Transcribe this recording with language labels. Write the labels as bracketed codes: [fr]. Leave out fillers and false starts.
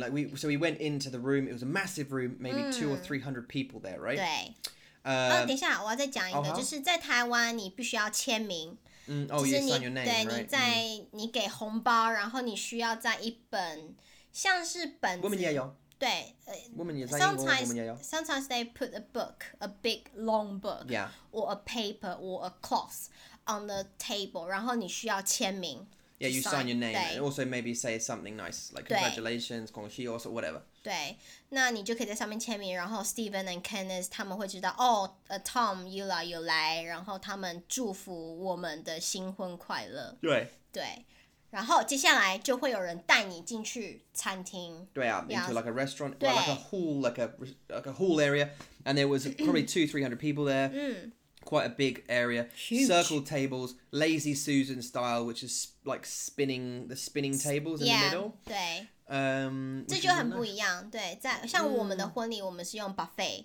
[en] Like we went into the room. It was a massive room, maybe 200 or 300 people there, right? [zh] 对。等一下，我要再讲一个，就是在台湾你必须要签名。 [en] Oh, yes, sign your name, right? [zh] 对，你在你给红包，然后你需要在一本像是本子。我们也有。对 [en] ，sometimes they put a book, a big long book, yeah, or a paper or a cloth on the table. [zh] 然后你需要签名。 [en] Yeah, you sign your name. And also, maybe say something nice like congratulations, 恭喜 or whatever. [zh] 对，那你就可以在上面签名。然后 Stephen and Kenneth 他们会知道哦、，Tom 又来，然后他们祝福我们的新婚快乐。对，对。然后接下来就会有人带你进去餐厅。对啊 [en] ，into like a restaurant, well, like a hall, like a hall area, and there was probably 200-300 people there. Quite a big area. Huge. Circle tables, Lazy Susan style, which is like spinning tables in the middle. Yeah. [zh] 对。这就很不一样。对，在像我们的婚礼，我们是用 buffet.